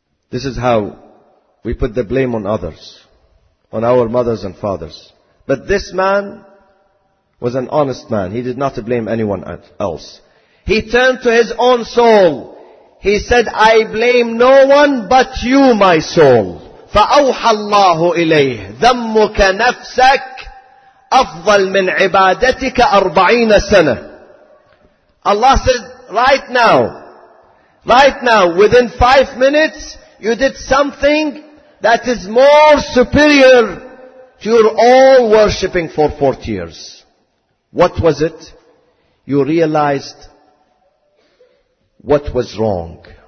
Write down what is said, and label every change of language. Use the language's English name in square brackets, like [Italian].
[English] This is how we put the blame on others, on our mothers and fathers. But this man was an honest man. He did not blame anyone else. He turned to his own soul. He said, I blame no one but you, my soul. [Arabic] فأوحى الله إليه ذمك نفسك أفضل من عبادتك 40 سنة. [English] Allah said, right now, within 5 minutes, you did something that is more superior to your all worshipping for 40 years. What was it? You realized what was wrong.